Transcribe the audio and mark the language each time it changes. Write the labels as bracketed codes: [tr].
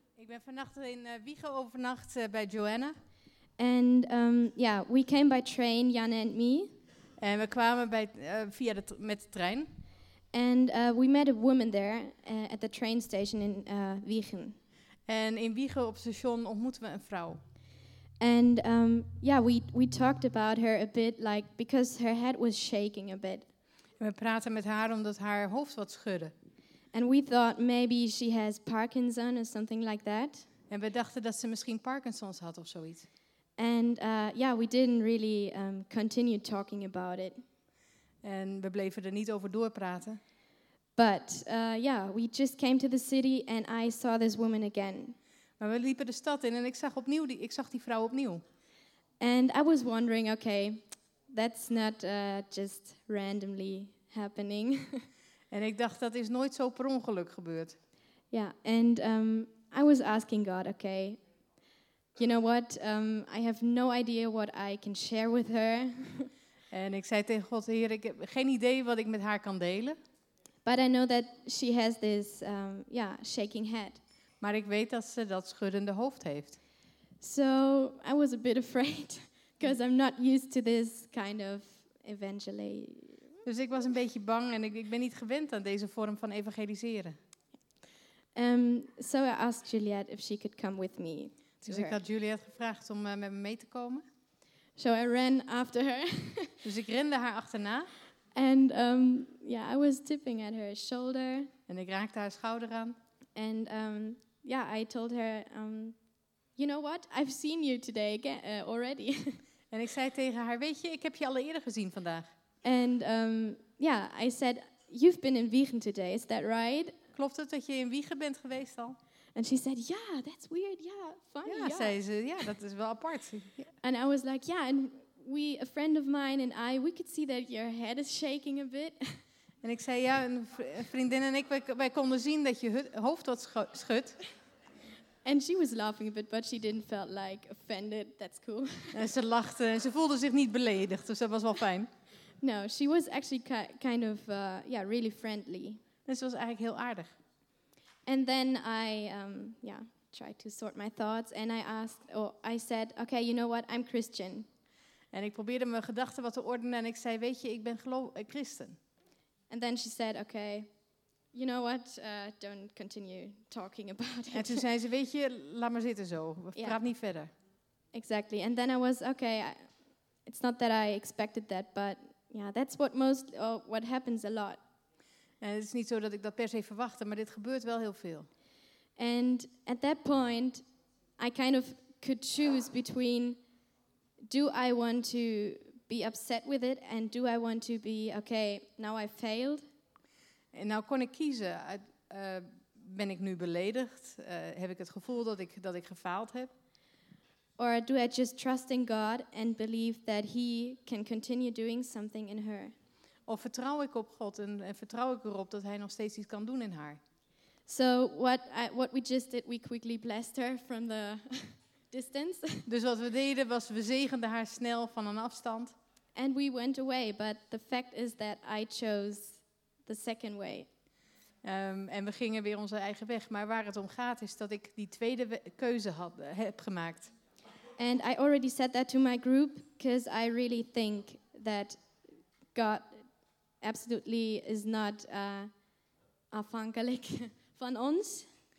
[nl] Ik ben vannacht in Wijchen overnacht bij Joanna. [en] And we came by train, Janne and me. [nl] En we kwamen met de trein. [en] And we met a woman there at the train station in Wijchen. [nl] En in Wijchen op station ontmoetten we een vrouw. [en] And we talked about her a bit, like because her head was shaking a bit. [nl] En we praten met haar omdat haar hoofd wat schudde. [en] And we thought maybe she has Parkinson or something like that. [nl] En we dachten dat ze misschien Parkinson's had of zoiets. [en] And we didn't really continue talking about it. [nl] En we bleven er niet over doorpraten. [en] But we just came to the city and I saw this woman again. [nl] Maar we liepen de stad in en ik zag die vrouw opnieuw. [en] And I was wondering, okay, that's not just randomly happening. [nl] En ik dacht, dat is nooit zo per ongeluk gebeurd. [en] Ja, and I was asking God, okay, you know what, I have no idea what I can share with her. [nl] En ik zei tegen God, Heer, ik heb geen idee wat ik met haar kan delen. [en] But I know that she has this, shaking head. [nl] Maar ik weet dat ze dat schuddende hoofd heeft. [en] So, I was a bit afraid, because I'm not used to this kind of evangelism. [nl] Dus ik was een beetje bang en ik ben niet gewend aan deze vorm van evangeliseren. [en] So I asked Juliet if she could come with me. [nl] Dus ik had Juliet gevraagd om met me mee te komen. [en] So I ran after her. [nl] Dus ik rende haar achterna. [en] And I was tipping at her shoulder. [nl] En ik raakte haar schouder aan. [en] And I told her, you know what, I've seen you today already. [nl] En ik zei tegen haar, weet je, ik heb je al eerder gezien vandaag. [en] And I said, you've been in Wijchen today, is that right? [nl] Klopt het dat je in Wijchen bent geweest al? [en] And she said, yeah, that's weird, yeah, funny, yeah. [nl] Ja, zei ze, ja, dat is wel apart. [en] And I was like, yeah, and we, a friend of mine and I, we could see that your head is shaking a bit. [nl] En ik zei, ja, een vriendin en ik, wij konden zien dat je hoofd wat schudt. [en] And she was laughing a bit, but she didn't feel like offended, that's cool. [nl] En ze lachte, ze voelde zich niet beledigd, dus dat was wel fijn. [en] No, she was actually kind of, yeah, really friendly. [nl] En ze was eigenlijk heel aardig. [en] And then I, yeah, tried to sort my thoughts and I asked, or I said, okay, you know what, I'm Christian. [nl] En ik probeerde mijn gedachten wat te ordenen en ik zei, weet je, ik ben christen. [en] And then she said, okay, you know what, don't continue talking about it. [nl] En toen zei ze, weet je, laat maar zitten zo, praat niet verder. [en] Exactly, and then I was, okay, it's not that I expected that, but yeah, that's what most, what happens a lot. [nl] En het is niet zo dat ik dat per se verwachtte, maar dit gebeurt wel heel veel. [en] And at that point, I kind of could choose between, do I want to be upset with it, and do I want to be, okay, now I failed. [nl] En nou kon ik kiezen, ben ik nu beledigd? Heb ik het gevoel dat ik gefaald heb? [en] Or do I just trust in God and believe that he can continue doing something in her? [nl] Of vertrouw ik op God en vertrouw ik erop dat hij nog steeds iets kan doen in haar? [en] So what we just did, we quickly blessed her from the distance. [nl] Dus wat we deden was we zegenden haar snel van een afstand. [en] And we went away, but the fact is that I chose the second way. [nl] En we gingen weer onze eigen weg, maar waar het om gaat is dat ik die tweede keuze heb gemaakt. [en] And I already said that to my group, because I really think that God absolutely is not [nl] afhankelijk van ons.